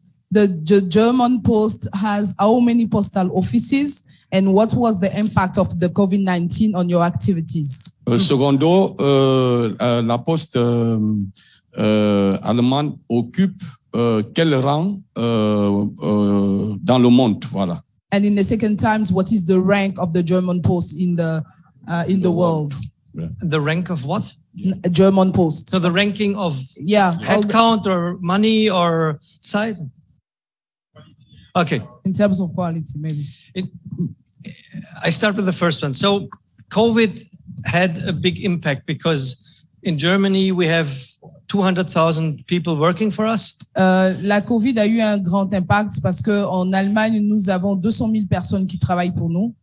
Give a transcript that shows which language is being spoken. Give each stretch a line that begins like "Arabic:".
English: The German Post has how many postal offices and what was the impact of the COVID-19 on your activities?
French: Secondo, la poste allemande occupe quel rang dans le monde, voilà.
English: And in the second times, what is the rank of the German Post in the world? Yeah. The rank of what? German Post. So the ranking of headcount or money or size? Okay. In terms of quality, maybe. I start with the first one. So COVID had a big impact because in Germany we have 200,000 people working for us.
French: La COVID a eu un grand impact parce que en Allemagne nous avons 200 000 personnes qui travaillent pour nous.